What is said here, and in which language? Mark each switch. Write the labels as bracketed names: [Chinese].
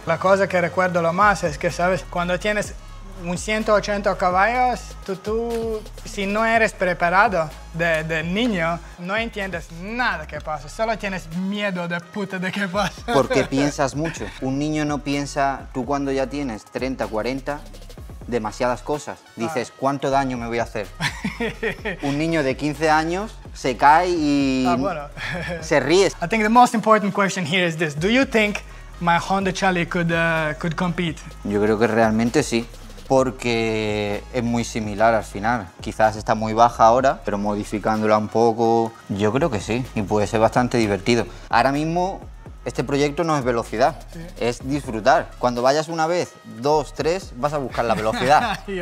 [Spanish] La cosa que recuerdo lo más es que, ¿sabes? Cuando tienes un 180 caballos, tú si no eres preparado de niño, no entiendes nada que pasa, solo tienes miedo de puta de que pasa. Porque piensas mucho. Un niño no piensa, tú cuando ya tienes 30, 40, demasiadas cosas. Dices, ¿cuánto daño me voy a hacer? Un niño de 15 años se cae y se ríe. [English] I think the most important question here is this. Do you think my Honda Charlie could compete? [Spanish] Yo creo que realmente sí. Porque es muy similar al final. Quizás está muy baja ahora, pero modificándola un poco, yo creo que sí, y puede ser bastante divertido. Ahora mismo, este proyecto no es velocidad, es disfrutar. Cuando vayas una vez, dos, tres, vas a buscar la velocidad.